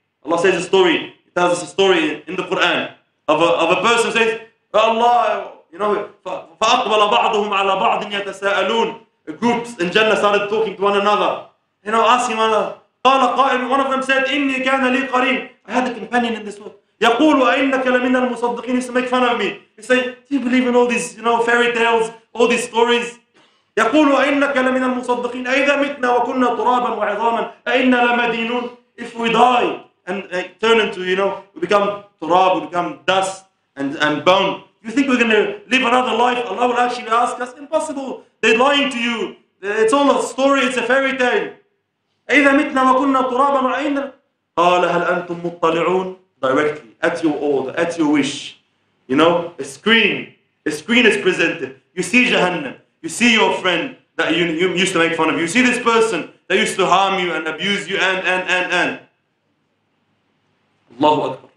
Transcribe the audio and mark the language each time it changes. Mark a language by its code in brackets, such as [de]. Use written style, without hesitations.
[en] Allah says a story, he tells us a story in the Quran of a person who says, oh Allah, you know, [ar] فَأَقْبَلَ بَعْضُهُمْ عَلَى بَعْضٍ يَتَسَاءَلُونَ. [en] Groups in Jannah started talking to one another. You know, asking one another, [ar] قَالَ قَائِلٌ, [en] one of them said, [ar] إِنِّي كَانَ لِي قَرِينٌ. [en] I had a companion in this world. [ar] يَقُولُ أَإِنَّكَ لَمِنَ الْمُصَدِّقِينَ. [en] He used to make fun of me. He said, do you believe in all these, you know, fairy tales, all these stories? [ar] يقول وإنك لمن المصدقين أئذا متنا وكنا ترابا وعظاما أئنا لمدينون. [en] If we die and turn into, you know, we become turab, we become dust and bone, you think we're going to live another life? Allah will actually ask us, impossible, they're lying to you, it's all a story, it's a fairy tale. [ar] أئذا متنا وكنا ترابا وعظاما. قال هل أنتم مطلعون. [en] Directly at your order, at your wish, you know, a screen is presented. You see Jahannam. You see your friend that you used to make fun of. You see this person that used to harm you and abuse you and. Allahu Akbar.